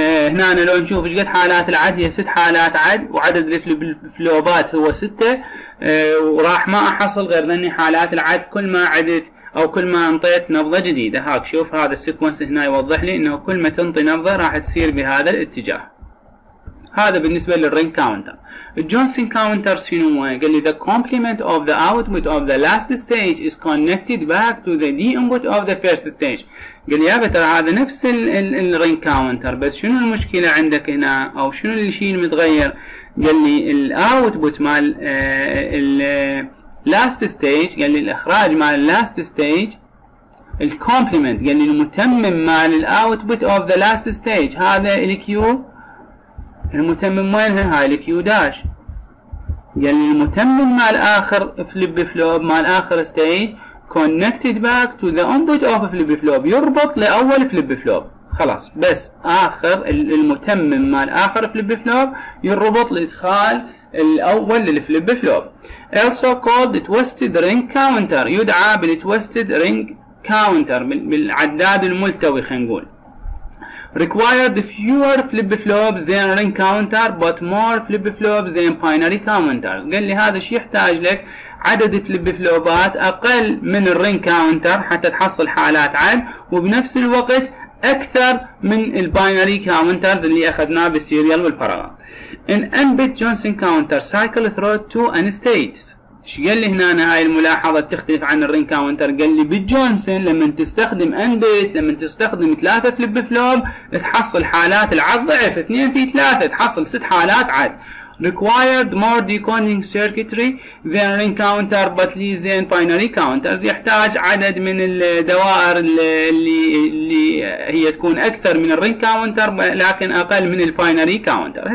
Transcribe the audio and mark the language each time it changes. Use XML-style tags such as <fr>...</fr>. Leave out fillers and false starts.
<ar>هنا أنا لو نشوف ايش قد حالات العد، هي ست حالات عد وعدد الفلوبات هو ستة، وراح ما احصل غير لاني حالات العد كل ما عدت او كل ما انطيت نبضة جديدة. هاك شوف هذا السيكونس هنا يوضح لي انه كل ما تنطي نبضة راح تصير بهذا الاتجاه. هذا بالنسبة للرينج كاونتر. الجونسون كاونتر شنو هو؟ قال لي</ar> <en>the complement of the output of the last stage is connected back to the D input of the first stage.</en> <ar>قال لي يا بتر هذا نفس الرينج كاونتر، بس شنو المشكلة عندك هنا او شنو الشيء المتغير؟ قال لي الـ output مال الـ last stage، قال لي الاخراج مال last stage الـ complement، قال لي المتمم مال الـ</ar> <en>output of the last stage</en> <ar>هذا الـ Q، المتمم وينها؟ هاي الكيو داش. يعني المتمم مع الاخر فليب فلوب مع الاخر ستيج</ar> <en>connected back to the input of flip flop،</en> <ar>يربط لاول فليب فلوب. خلاص بس اخر المتمم مع الاخر فليب فلوب يربط لادخال الاول للفليب فلوب.</ar> <en>also called twisted ring counter،</en> <ar>يدعى بالتويستد رينج كاونتر، بالعداد الملتوي خلينا نقول.</ar> <en>Required fewer flip-flops than ring counter but more flip-flops than binary counter.</en> <ar>قال لي هذا الشيء يحتاج لك عدد flip-flops أقل من الرينج كاونتر حتى تحصل حالات عد، وبنفس الوقت أكثر من الباينري كاونترز اللي أخذناه بالسيريال والبارالل.</ar> <en>In N-bit Johnson counter cycle through two N states.</en> <ar>ايش قال لي هنا؟ أنا هاي الملاحظة تختلف عن الرينج كاونتر. قال لي بالجونسون لما تستخدم ان بيت، لما تستخدم ثلاثة فليب فلوب تحصل حالات العد ضعف، اثنين في ثلاثة تحصل ست حالات عد.</ar> <en>required more decoding circuitry than ring counter but less than binary counters،</en> <ar>يحتاج عدد من الدوائر اللي هي تكون اكثر من الرينج كاونتر لكن اقل من الباينري كاونتر.</ar>